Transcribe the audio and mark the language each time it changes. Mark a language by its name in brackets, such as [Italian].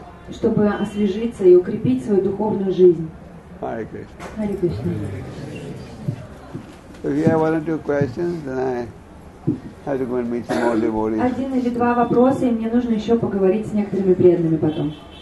[Russian] Чтобы освежиться и укрепить свою духовную жизнь. [English] Hare Krishna. Hare Krishna. If you have one or two questions, then I have to go and meet some more devotees. [Russian] Один или два вопроса, и мне нужно еще поговорить с некоторыми преданными потом.